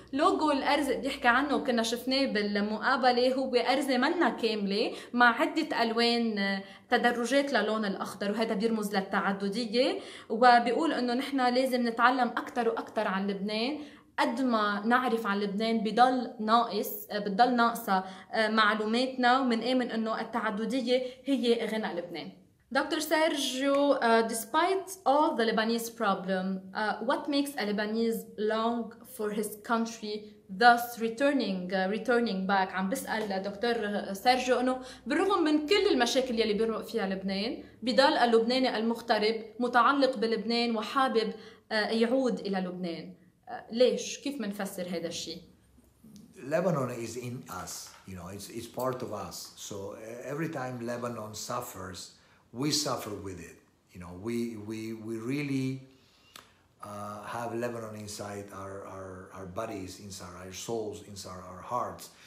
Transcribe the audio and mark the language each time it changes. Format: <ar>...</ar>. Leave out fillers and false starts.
<ar>لوجو الأرز بيحكي عنه وكنا شفناه بالمقابلة، هو أرز منا كاملة مع عدة ألوان تدرجات للون الأخضر، وهذا بيرمز للتعددية، وبيقول أنه نحنا لازم نتعلم أكتر وأكتر عن لبنان. قد ما نعرف عن لبنان بضل ناقص، بضل ناقصة معلوماتنا، ومن آمن أنه التعددية هي غنى لبنان.</ar> <en>Doctor Sergio, despite all the Lebanese problem, what makes a Lebanese long for his country, thus returning back?</en> <ar>عم بسأل دكتور سيرجيو أنه بالرغم من كل المشاكل يلي بيرمق فيها لبنان، بضل اللبناني المغترب متعلق بلبنان وحابب يعود إلى لبنان. ليش؟ كيف منفسر هذا الشيء؟</ar> <en>Lebanon is in us, you know, it's part of us. So every time Lebanon suffers, we suffer with it. You know, we really have Lebanon inside our bodies, inside our souls, inside our hearts.</en>